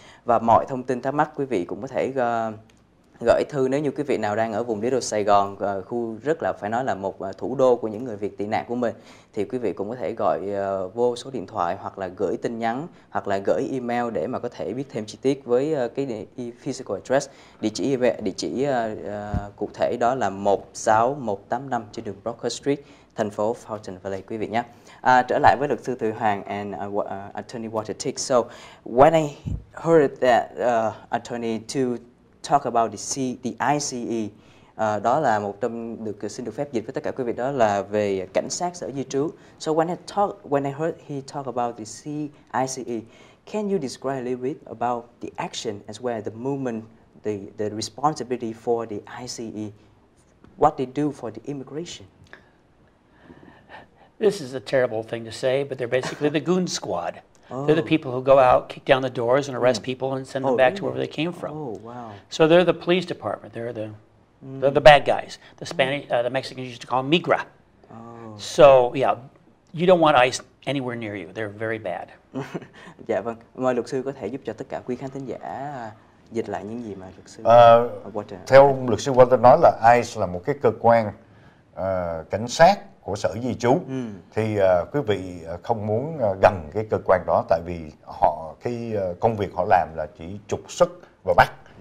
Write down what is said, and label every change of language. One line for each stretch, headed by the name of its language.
Vietnamese: Và mọi thông tin thắc mắc quý vị cũng có thể gửi thư, nếu như quý vị nào đang ở vùng Little Sài Gòn, khu rất là phải nói là một thủ đô của những người Việt tị nạn của mình, thì quý vị cũng có thể gọi vô số điện thoại, hoặc là gửi tin nhắn, hoặc là gửi email để mà có thể biết thêm chi tiết với cái physical address, địa chỉ cụ thể đó là 16185 trên đường Broker Street, thành phố Fountain Valley quý vị nhé. Trở lại với luật sư Từ Hoàng
English: and attorney
Vietnamese: Walter Tick.
English: So when I heard that attorney to talk about the ICE,
Vietnamese: đó là một trong được xin được phép dịch với tất cả quý vị, đó là về cảnh sát sở di trú.
English: So when I heard he talk about the ICE, can you describe a little bit about the action as well as the movement, the responsibility for the ICE, what they do for the immigration? This is a terrible thing to say, but they're basically the goon squad. Oh. They're the people who go out, kick down the doors, and arrest people and send them back to wherever they came from. Oh, wow. So they're the police department. They're the they're the bad guys. The Spanish, the Mexicans used to call them migra. Oh. So, yeah, you don't want ICE anywhere near you. They're very bad.
Vietnamese: Dạ vâng. Mời luật sư có thể giúp cho tất cả quý khán thính giả dịch lại những gì mà luật sư theo luật sư Walter nói là ICE là một cái cơ quan cảnh sát của sở di trú. Thì quý vị không muốn gần cái cơ quan đó, tại vì họ cái công việc họ làm là chỉ trục xuất và bắt.